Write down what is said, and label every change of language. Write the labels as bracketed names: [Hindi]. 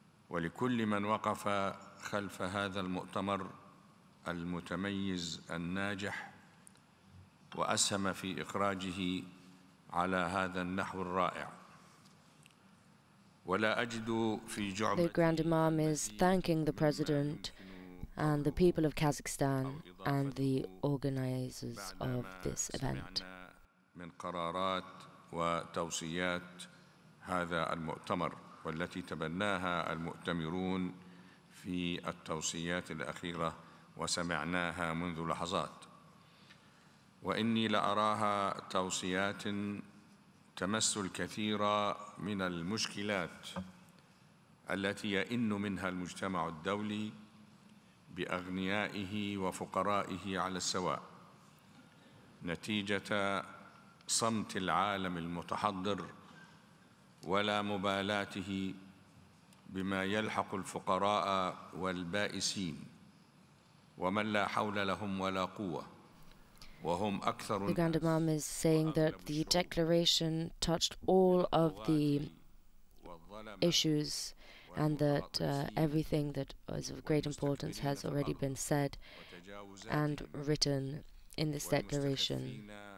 [Arabic] ولكل من وقف خلف هذا المؤتمر المتميز الناجح وأسهم في إخراجه على هذا النحو الرائع ولا أجد في جعبتي [English] The Grand Imam is thanking the President and the people of Kazakhstan and the organizers of this event. [Arabic] من قرارات وتوصيات هذا المؤتمر والتي تبناها المؤتمرون في التوصيات الأخيرة وسمعناها منذ لحظات وإني لأراها توصيات تمس الكثير من المشكلات التي يئن منها المجتمع الدولي بأغنيائه وفقرائه على السواء نتيجة صمت العالم المتحضر ولا مبالاته بما يلحق الفقراء والبائسين ومن لا حول لهم ولا قوة [English] The Grand Imam is saying that the declaration touched all of the issues and that everything that is of great importance has already been said and written in this declaration.